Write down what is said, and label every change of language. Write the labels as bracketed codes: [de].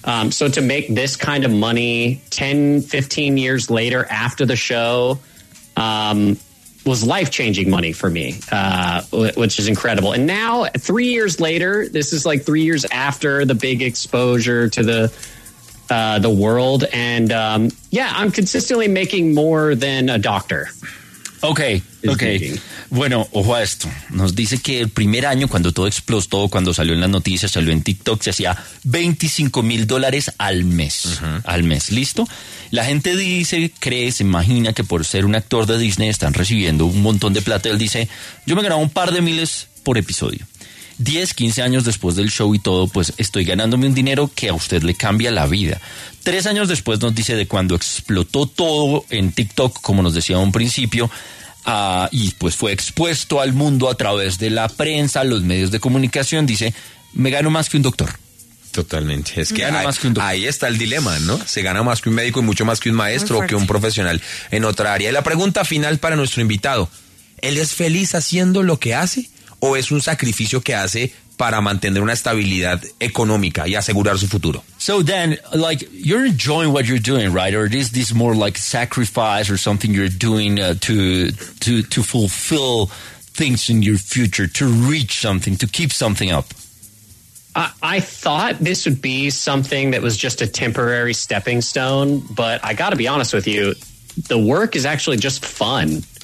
[en] So to make this kind of money 10, 15 years later after the show was life-changing money for me, which is incredible. And now 3 years later, this is like 3 years after the big exposure to the world, and I'm consistently making more than a doctor. [es] Okay. Bueno, ojo a esto. Nos dice que el primer año, cuando todo explotó, cuando salió en las noticias, salió en TikTok, se hacía $25,000 al mes. Uh-huh. Al mes, ¿listo? La gente dice, cree, se imagina que por ser un actor de Disney están recibiendo un montón de plata. Él dice, yo me grabo un par de miles por episodio. 10, 15 años después del show y todo, pues estoy ganándome un dinero que a usted le cambia la vida. 3 años después nos dice de cuando explotó todo en TikTok, como nos decía un principio, y pues fue expuesto al mundo a través de la prensa, los medios de comunicación, dice, me gano más que un doctor. Totalmente. Es que, más que un doctor. Ahí está el dilema, ¿no? Se gana más que un médico y mucho más que un maestro o que un profesional en otra área. Y la pregunta final para nuestro invitado, ¿él es feliz haciendo lo que hace? ¿O es un sacrificio que hace para mantener una estabilidad económica y asegurar su futuro? [en] So Dan, like, you're enjoying what you're doing, right? Or is this more like sacrifice or something you're doing to fulfill things in your future, to reach something, to keep something up? I thought this would be something that was just a temporary stepping stone, but I got to be honest with you, the work is actually just fun.